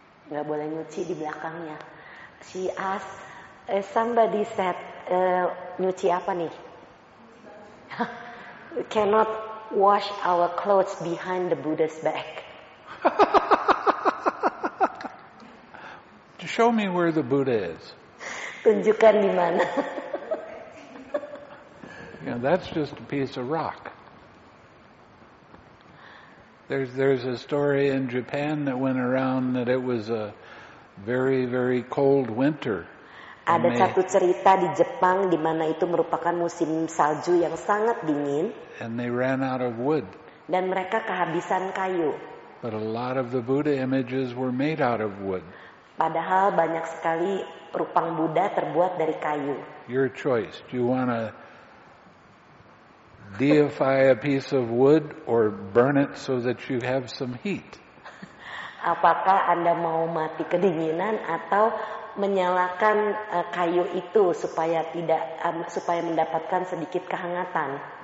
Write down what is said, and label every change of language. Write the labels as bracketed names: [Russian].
[Indonesian] Nggak boleh nyuci di belakangnya. [English] She asked, somebody said, [Indonesian] nyuci apa nih? [English] We cannot wash our clothes behind the Buddha's back. Show me where the Buddha is. [Indonesian] Tunjukkan di mana. [English] You know, that's just a piece of rock. There's a story in Japan that went around that it was a very very cold winter. [Indonesian] Ada satu cerita di Jepang di mana itu merupakan musim salju yang sangat dingin. [English] And they ran out of wood. [Indonesian] Dan mereka kehabisan kayu. [English] But a lot of the Buddha images were made out of wood. [Indonesian] Padahal banyak sekali rupang Buddha terbuat dari kayu. [English] Your choice. Do you wanna deify a piece of wood or burn it so that you have some heat? [Indonesian] Apakah Anda mau mati kedinginan atau menyalakan kayu itu supaya tidak supaya mendapatkan sedikit kehangatan?